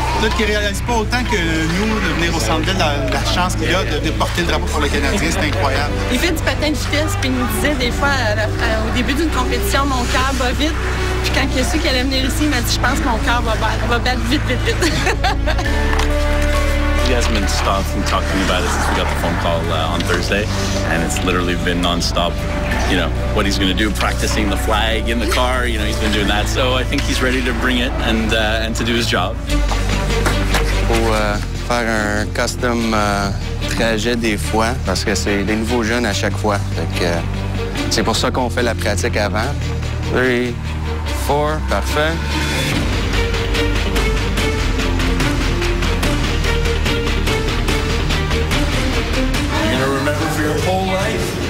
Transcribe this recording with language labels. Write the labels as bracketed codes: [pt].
[fr] Peut-être qu'il ne réalise pas autant que nous de venir au Centre Bell, la chance qu'il a de porter le drapeau pour le Canadien, c'est incroyable. Il fait du patin de vitesse, puis il nous disait des fois au début d'une compétition, mon cœur va vite. Puis quand il a su qu'il allait venir ici, il m'a dit, je pense que mon cœur va battre vite. [en] He hasn't been stopping talking about it since we got the phone call on Thursday, and it's literally been nonstop, you know, what he's going to do, practicing the flag in the car, you know, he's been doing that, so I think he's ready to bring it and to do his job. [fr] Pour faire un custom trajet des fois, parce que c'est des nouveaux jeunes à chaque fois, donc c'est pour ça qu'on fait la pratique avant, [en] three, four. [fr] Parfait. [en] You're gonna remember for your whole life?